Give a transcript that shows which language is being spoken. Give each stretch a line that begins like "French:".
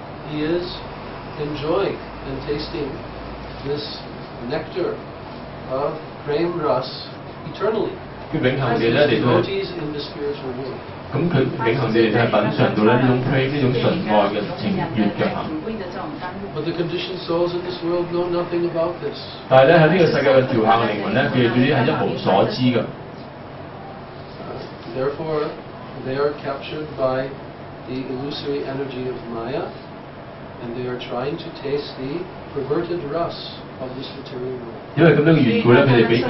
English: He is enjoying and tasting this nectar of prema rasa eternally.
Cantonese: 佢永恆地咧嚟到，咁佢永恆地咧品嚐到咧呢種prema呢種純愛嘅情緣嘅嚇。
English: But the conditioned souls in this world know nothing about this.
Cantonese: 但係咧喺呢個世界嘅調行嘅靈魂咧，佢哋對呢係一無所知嘅。
English: Therefore, they are captured by the illusory energy of Maya, and they are trying to taste the perverted rus of this material world.